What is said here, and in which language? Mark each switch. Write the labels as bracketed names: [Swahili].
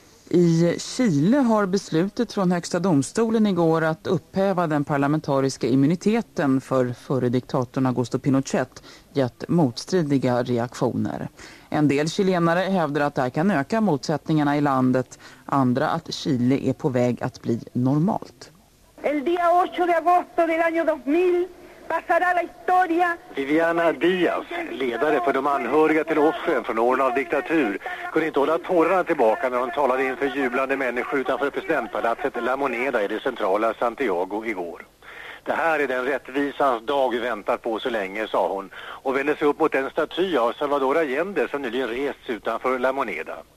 [Swedish] I Chile har beslutet från högsta domstolen igår att upphäva den parlamentariska immuniteten för före diktatorn Augusto Pinochet gett motstridiga reaktioner. En del chilenare hävdar att det här kan öka motsättningarna i landet, andra att Chile är på väg att bli normalt. [Spanish] El día 8 de agosto del año 2000 pasará la historia. [Swedish] Viviana Díaz, ledare för de anhöriga till offren från åren av diktatur, kunde inte hålla tårarna tillbaka när hon talade inför jublande människor utanför presidentpalatset La Moneda i det centrala Santiago igår. Det här är den rättvisans dag vi väntat på så länge, sa hon, och vände sig upp mot den staty av Salvador Allende som nyligen rests utanför La Moneda.